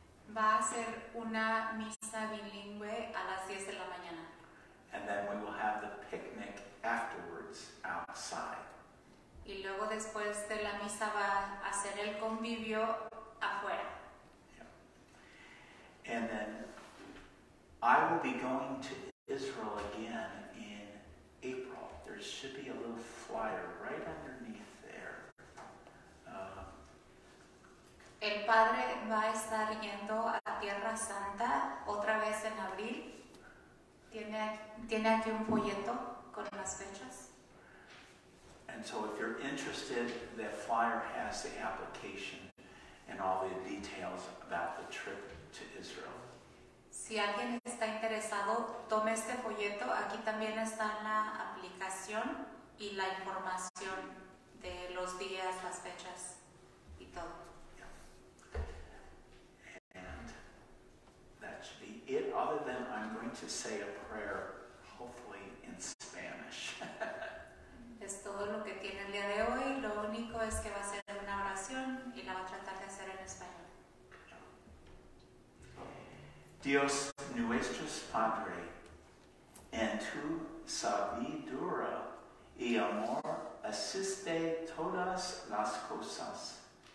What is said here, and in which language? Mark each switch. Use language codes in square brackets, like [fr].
[es] Va a ser una misa bilingüe a las 10 de la mañana. [en] And then we will have the picnic afterwards outside. [es] Y luego después de la misa va a hacer el convivio afuera. [en] Yeah. And then I will be going to Israel again in April. There should be a little flyer right underneath there. [es] El padre va a estar yendo a Tierra Santa otra vez en abril. Tiene aquí un folleto con las fechas. [en] And so if you're interested, that flyer has the application and all the details about the trip to Israel. [es] Si alguien está interesado, tome este folleto. Aquí también está la aplicación y la información de los días, las fechas y todo. [en] Yeah. And that should be it. Other than I'm going to say a prayer, hopefully in Spanish. [es] Es todo lo que tiene el día de hoy. Lo único es que va a ser una oración y la va a tratar de hacer en español. Dios nuestro Padre, en tu sabiduría y amor, asiste todas las cosas.